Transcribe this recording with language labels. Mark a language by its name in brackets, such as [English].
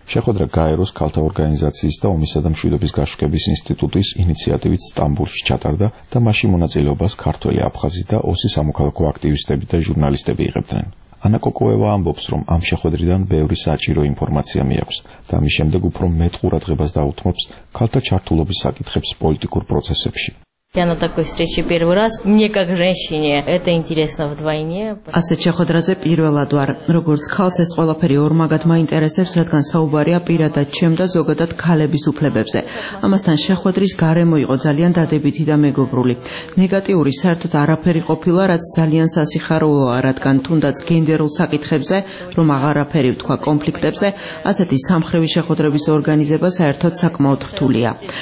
[Georgian] შეხვედრა გაეროს ქალთა ორგანიზაციის და ომისა და მშვიდობის გაშუქების ინსტიტუტის ინიციატივით სტამბოლში ჩატარდა და მასში მონაწილეობას ქართველი, აფხაზი და ოსი სამოქალაქო აქტივისტები და ჟურნალისტები იღებდნენ. ანა კოკოევა ამბობს, რომ ამ შეხვედრიდან ბევრი საჭირო ინფორმაცია მიაქვს და ამის შემდეგ უფრო მეტ ყურადღებას დაუთმობს ქალთა ჩართულობის საკითხებს პოლიტიკურ პროცესებში. [Russian] Я на такой встрече первый раз. Мне как женщине это интересно вдвойне. [Georgian] Асе чехотразе პირველად ვარ, როგორც ქალს ეს ყველაფერი ორმაგად მაინტერესებს, რადგან საუბარია პირადად ჩემ და ზოგადად ქალების უფლებებზე. ამასთან შეხვედრის გარემო იყო ძალიან დადებითი და მეგობრული. ნეგატიური საერთოდ არაფერი ყოფილა, რაც ძალიან სასიხაროა, რადგან თუნდაც გენდერულ საკითხებზე, რომ აღარაფერი ვთქვა კონფლიქტებზე, ასეთი სამხრივი შეხვედრების ორგანიზება საერთოდ საკმაოდ რთულია.